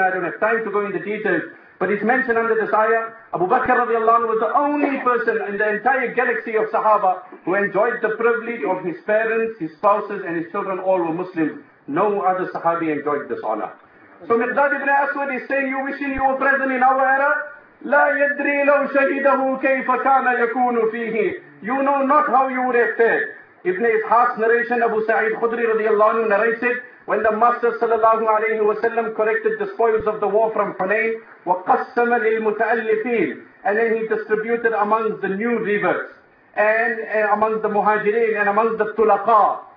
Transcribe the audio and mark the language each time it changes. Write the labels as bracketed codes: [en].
[en] I don't have time to go into details, but it's mentioned under this ayah, Abu Bakr radiallahu anhu was the only person in the entire galaxy of Sahaba who enjoyed the privilege of his parents, his spouses and his children all were Muslims. No other Sahabi enjoyed this honor. So Miqdad ibn Aswad is saying, you wishing you were present in our era? [ar] لا يدري لو شهده كيف كان يكون فيه. [en] You know not how you would have fared. Ibn Ishaq's narration, Abu Sa'id Khudri radiallahu anhu narrates it, when the Master sallallahu alayhi wa sallam collected the spoils of the war from Hunayn, [ar] وقسم للمتألفين, [en] and then he distributed amongst the new reavers, and amongst the muhajirin, and amongst the tulaqa.